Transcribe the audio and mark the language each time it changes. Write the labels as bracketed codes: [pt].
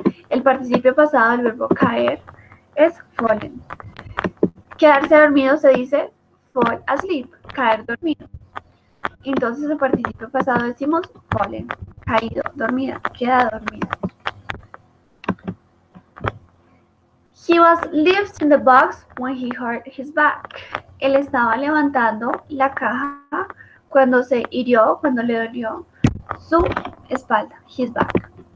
[es] El participio pasado del verbo caer es fallen. Quedarse dormido se dice fall asleep, caer dormido. Entonces el participio pasado decimos fallen, caído, dormida, queda dormida. [en] He was lifting the box when he hurt his back. [es] Él estaba levantando la caja cuando se hirió, cuando le dolió su espalda, [en] his back.